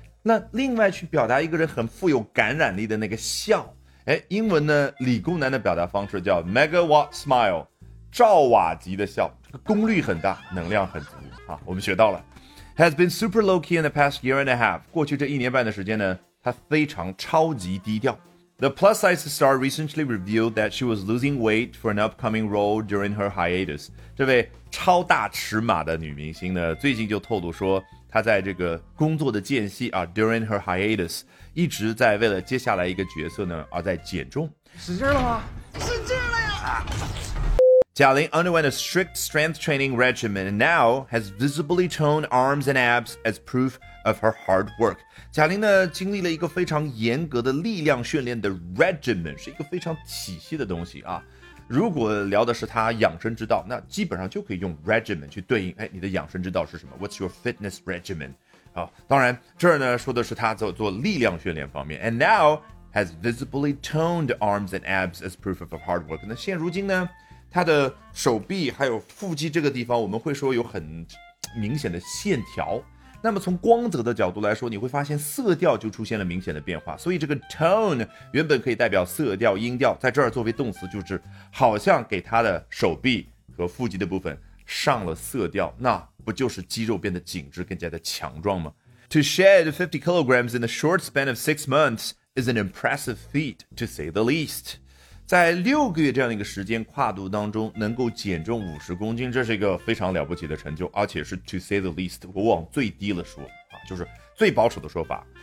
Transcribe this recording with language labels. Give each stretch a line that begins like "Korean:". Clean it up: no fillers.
Chinese: 那另外去表达一个人很富有感染力的那个笑，哎，英文呢，理工男的表达方式叫 megawatt smile， 兆瓦级的笑，这个功率很大，能量很足啊。我们学到了
English: ，has been super low key in the past year and a half。
Chinese: 过去这一年半的时间呢，他非常超级低调。
English: The plus-size star recently revealed that she was losing weight for an upcoming role during her hiatus.
Chinese: 这位超大尺码的女明星呢，最近就透露说，她在这个工作的间隙啊 ，
English: during her hiatus，
Chinese: 一直在为了接下来一个角色呢而在减重。使劲了吗？使劲了呀！
English: 贾玲 underwent a strict strength training regimen and now has visibly toned arms and abs as proof of her hard work.
Chinese: 贾玲呢经历了一个非常严格的力量训练的 regimen， 是一个非常体系的东西啊。如果聊的是她养生之道，那基本上就可以用 regimen 去对应，哎，你的养生之道是什么？
English: What's your fitness regimen？
Chinese: 好，当然这儿呢说的是她做力量训练方面。
English: And now has visibly toned arms and abs as proof of her hard work.
Chinese: 那现如今呢，他的手臂还有腹肌这个地方，我们会说有很明显的线条。那么从光泽的角度来说，你会发现色调就出现了明显的变化。所以这个 tone 原本可以代表色调、音调，在这儿作为动词，就是好像给他的手臂和腹肌的部分上了色调，那不就是肌肉变得紧致、更加的强壮吗？
English: To shed 50 kilograms in the short span of 6 months is an impressive feat, to say the least.
Chinese: 在6个月这样的一个时间跨度当中能够减重50公斤，这是一个非常了不起的成就，而且是
English: to say the least，
Chinese: 我往最低了说啊，就是最保守的说法。